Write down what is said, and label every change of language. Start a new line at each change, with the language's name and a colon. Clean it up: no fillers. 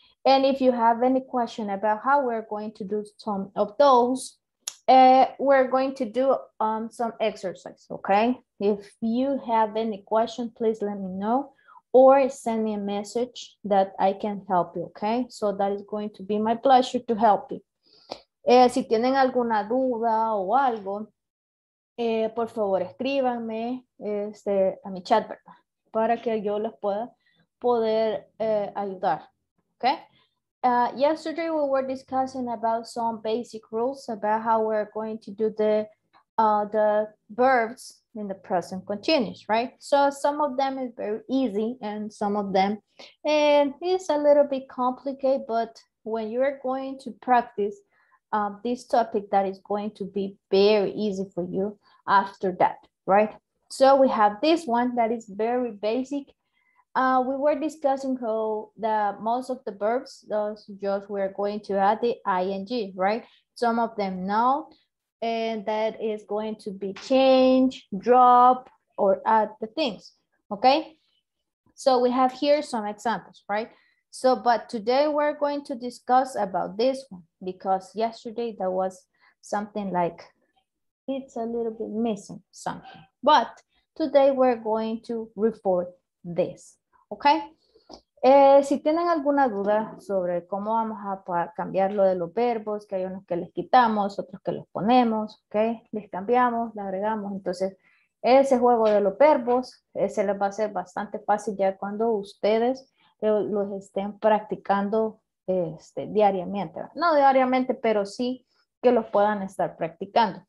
English: And if you have any question about how we're going to do some of those, we're going to do some exercise, okay? If you have any question, please let me know or send me a message that I can help you, okay? So that is going to be my pleasure to help you.
Spanish: Si tienen alguna duda o algo, por favor, escríbanme a mi chat, ¿verdad? Para que yo les pueda poder ayudar, okay?
English: Yesterday we were discussing about some basic rules about how we're going to do the verbs in the present continuous, right? So some of them is very easy and some of them is a little bit complicated, but when you're going to practice this topic, that is going to be very easy for you after that, right? So we have this one that is very basic. We were discussing how the most of the verbs, those just we're going to add the ing, right? Some of them now, and that is going to be change, drop, or add the things, okay? So we have here some examples, right? So, but today we're going to discuss about this one because yesterday there was something like, it's a little bit missing something, but today we're going to report this.
Spanish: Ok, si tienen alguna duda sobre cómo vamos a cambiar lo de los verbos, que hay unos que les quitamos, otros que los ponemos, ok, les cambiamos, les agregamos, entonces ese juego de los verbos se les va a hacer bastante fácil ya cuando ustedes los estén practicando diariamente, no diariamente, pero sí que los puedan estar practicando.